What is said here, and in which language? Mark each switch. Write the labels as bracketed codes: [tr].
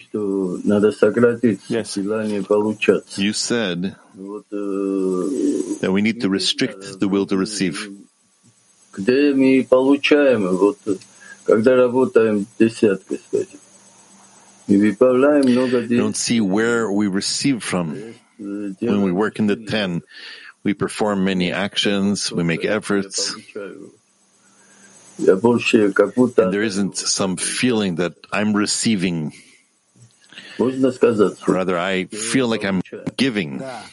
[ru] Что надо сократить желание получать. [en] You said that we need to restrict the will to receive. [ru] Где мы получаем, вот когда работаем десяткой, скажем, и выполняем много денег. [en] Don't see where we receive from when we work in the ten. We perform many actions. We make efforts. And there isn't some feeling that I'm receiving. Rather, I feel like I'm giving.